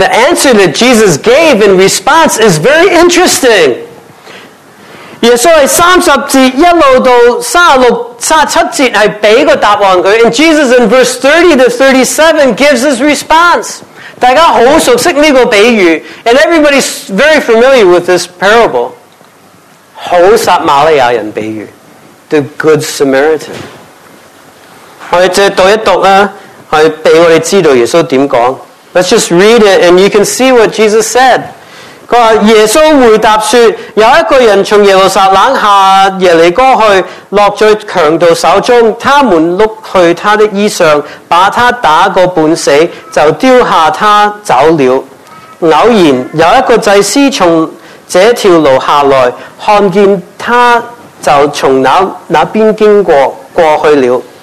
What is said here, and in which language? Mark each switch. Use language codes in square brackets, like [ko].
[en] the answer that Jesus gave in response is very interesting. [zh] 耶稣在30节一直到36节是给他答案。 [en] And Jesus in verse 30 to 37 gives his response. [zh] 大家很熟悉这个比喻, [en] and everybody's very familiar with this parable. [zh] 很撒玛利亚人比喻, [en] the good Samaritan. [zh] 我们读一读,让我们知道耶稣怎么说。 [en] Let's just read it and you can see what Jesus said. [zh] 耶稣回答说,有一个人从耶路撒冷下耶利哥去,落在强盗手中,他们掳去他的衣裳,把他打个半死,就丢下他走了。偶然有一个祭司从这条路下来,看见他就从那边经过,过去了。